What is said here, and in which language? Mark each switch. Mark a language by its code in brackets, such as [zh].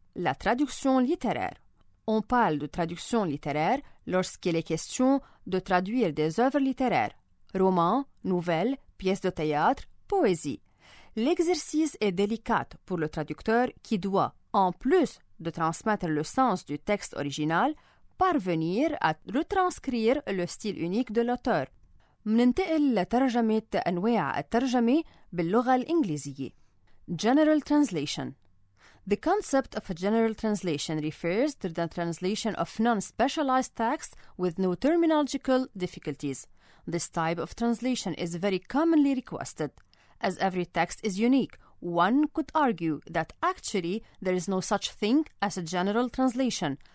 [fr] La traduction littéraire. On parle de traduction littéraire lorsqu'il est question de traduire des œuvres littéraires, romans, nouvelles, pièces de théâtre, poésie. L'exercice est délicat pour le traducteur qui doit, en plus de transmettre le sens du texte original, parvenir à retranscrire le style unique de l'auteur. [ar] مننتقل لترجمة أنواع الترجمة باللغة الإنجليزية. [en] General Translation. The concept of a general translation refers to the translation of non-specialized texts with no terminological difficulties. This type of translation is very commonly requested. As every text is unique, one could argue that actually there is no such thing as a general translation.